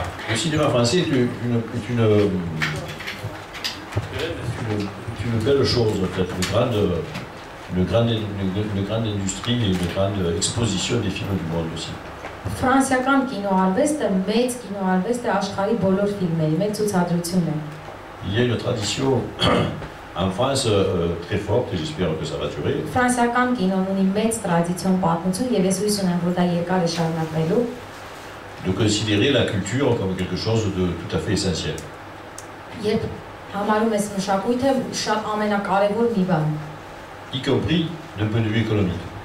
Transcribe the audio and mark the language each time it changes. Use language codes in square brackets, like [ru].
[fr] Le cinéma français est une belle chose, en fait, une grande industrie et une grande exposition des films du monde aussi. [hy] Ֆրանսիական կինոարվեստը մեծ կինոարվեստը աշխարհի բոլոր ֆիլմերի մեծ ցուցադրությունն է։ [fr] Il y a une tradition en France très forte et j'espère que ça va durer. [hy] Ֆրանսիական կինոն ունի մեծ tradition պատմություն եւ ես հույս ունեմ որ դա երկար է շարունակվելու։ [fr] De considérer la culture comme quelque chose de tout à fait essentiel. [hy] Երբ համարում ես մշակույթը շատ ամենակարևոր մի բան։ [fr] Y compris d'un point de vue économique.